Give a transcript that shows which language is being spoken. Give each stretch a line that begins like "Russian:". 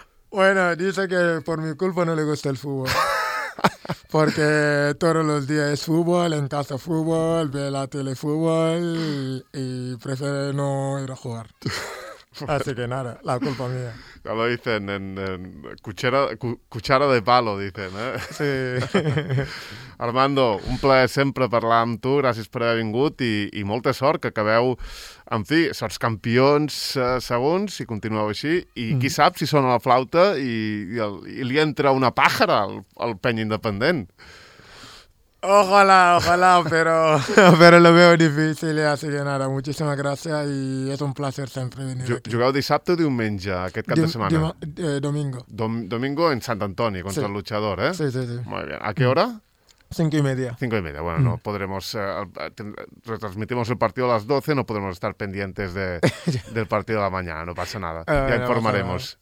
Spanish: Bueno, dice que por mi culpa no le gusta el fútbol. Porque todos los días es fútbol, en casa fútbol, ve la tele fútbol y prefiere no ir a jugar. Así que nada, la culpa mía. Ya lo dicen, en cuchara de palo, dicen, ¿eh? Sí.
Catalan: Armando, un plaer sempre parlar amb tu, gràcies per haver vingut i molta sort, que acabeu, en fi, sorts campions segons, si continueu així, i qui sap si sona la flauta i li entra una pàjara al peny independent.
Spanish: Ojalá, pero lo veo difícil, así que nada, muchísimas gracias y es un placer siempre venir aquí.
Catalan: ¿Jugueu dissabte o diumenge, aquest cap de setmana?
Spanish: Domingo. Domingo en Sant Antoni, contra el luchador, ¿eh? Sí, sí, sí. Muy bien. ¿A qué hora? 5:30. 5:30, bueno, no podremos, retransmitimos el partido a las 12, no podremos estar pendientes del partido de la mañana, no pasa nada, ya informaremos.